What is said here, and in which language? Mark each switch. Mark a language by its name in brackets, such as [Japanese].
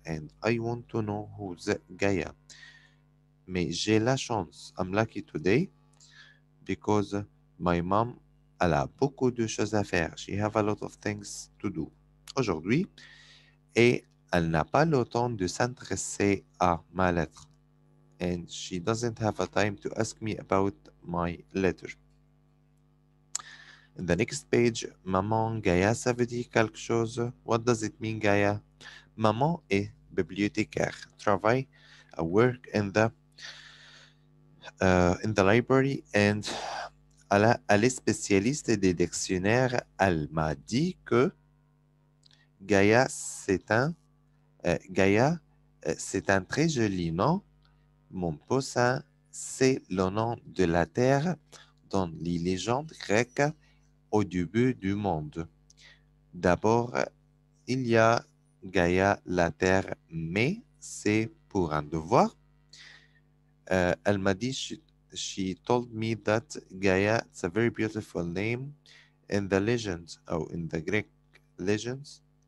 [English] And I want to know who's Gaïa. [French] Mais j'ai la chance. [English] I'm lucky today because my mom. [French] Elle a beaucoup de choses à faire. [English] She has a lot of things to do. [French] Aujourd'hui, et elle n'a pas le temps de s'intéresser à ma lettre. [English] And she doesn't have a time to ask me about my letter. In the next page, [French] maman, Gaïa, ça veut dire quelque chose. [English] What does it mean, Gaïa? [French] Maman est bibliothécaire. [English] Travail, I work in the library and... [French] Elle est spécialiste des dictionnaires. Elle m'a dit que Gaïa, c'est un très joli nom. Mon poussin, c'est le nom de la terre dans les légendes grecques au début du monde. D'abord, il y a Gaïa, la terre, mais c'est pour un devoir. Elle m'a dit... [English] She told me that Gaïa is a very beautiful name in the legends, in the Greek legends.